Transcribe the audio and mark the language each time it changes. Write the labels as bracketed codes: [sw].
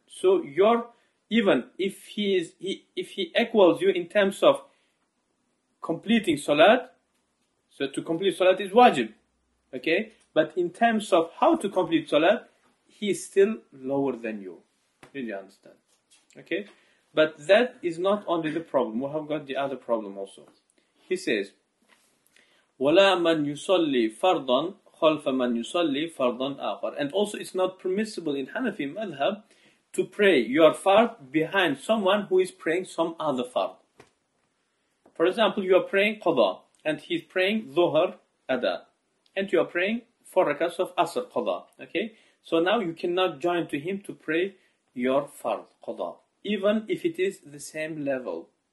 [en] So your, even if he equals you in terms of completing salat, so to complete salat is wajib, okay? But in terms of how to complete salat, he is still lower than you. Did you understand? Okay? But that is not only the problem. We have got the other problem also. He says, [ar] وَلَا مَنْ يُصَلِّي فَرْضًا خَلْفَ مَنْ يُصَلِّي فَرْضًا آخر. [en] And also it's not permissible in Hanafi madhab to pray your fard behind someone who is praying some other fard. For example, you are praying qada, and he's praying dhuhr ada, and you are praying four rakats of asr qada. Okay, so now you cannot join to him to pray your fard qada, even if it is the same level.